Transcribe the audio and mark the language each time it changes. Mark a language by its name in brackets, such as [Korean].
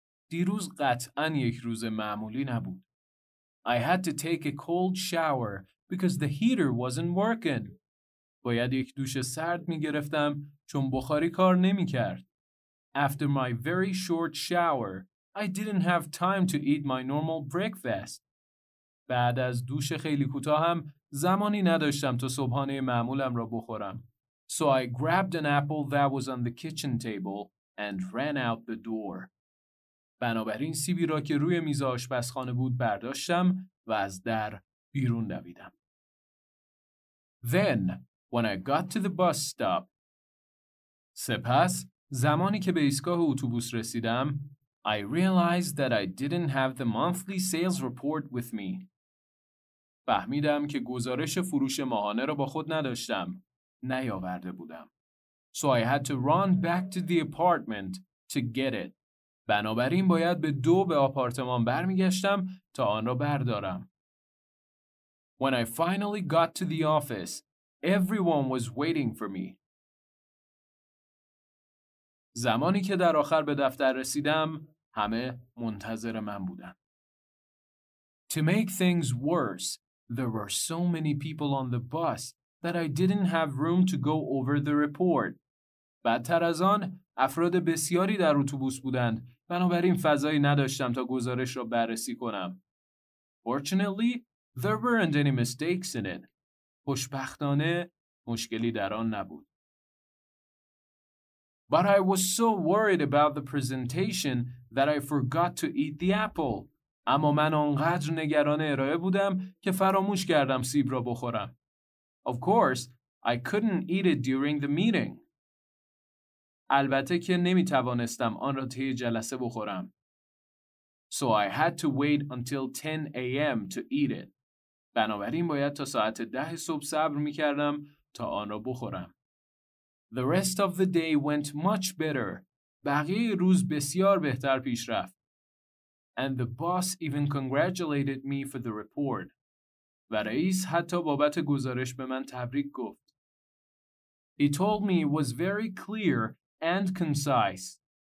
[Persian] دیروز قطعاً یک روز معمولی نبود. [English] I had to take a cold shower because the heater wasn't working. [Persian] باید یک دوش سرد می گرفتم چون بخاری کار نمی کرد. [English] After my very short shower, I didn't have time to eat my normal breakfast. [Persian] بعد از دوش خیلی کوتاهم زمانی نداشتم تا صبحانه معمولم را بخورم. [English] So I grabbed an apple that was on the kitchen table and ran out the door. [Persian] بنابراین سیبی را که روی میز آشپزخانه بود برداشتم و از در بیرون دویدم. [English] Then, when I got to the bus stop, [Persian] سپس زمانی که به ایستگاه اتوبوس رسیدم, [English] I realized that I didn't have the monthly sales report with me. [Persian] فهمیدم که گزارش فروش ماهانه را با خود نداشتم. نیاورده بودم. [English] So I had to run back to the apartment to get it. [Persian] بنابراین باید به دو به آپارتمان برمیگشتم تا آن را بردارم. [English] When I finally got to the office, everyone was waiting for me. [Persian] زمانی که در آخر به دفتر رسیدم، همه منتظر من بودند. [English] To make things worse, there were so many people on the bus that I didn't have room to go over the report. [Persian] بدتر از آن، افراد بسیاری در اتوبوس بودند، بنابراین فضایی نداشتم تا گزارش را بررسی کنم. [English] Fortunately, there weren't any mistakes in it. [Persian] خوشبختانه، مشکلی در آن نبود. [English] But I was so worried about the presentation that I forgot to eat the apple. [Persian] اما من آنقدر نگران ارائه بودم که فراموش کردم سیب را بخورم. [English] Of course, I couldn't eat it during the meeting. [Persian] البته که نمی توانستم آن را طی جلسه بخورم. [English] So I had to wait until 10 a.m. to eat it. [Persian] بنابراین باید تا ساعت 10 صبح صبر می کردم تا آن را بخورم. [English] The rest of the day went much better. [Persian] بقیه روز بسیار بهتر پیش رفت. [English] And the boss even congratulated me for the report. [Persian] و رئیس حتی بابت گزارش به من تبریک گفت. [English] He told me it was very clear and concise.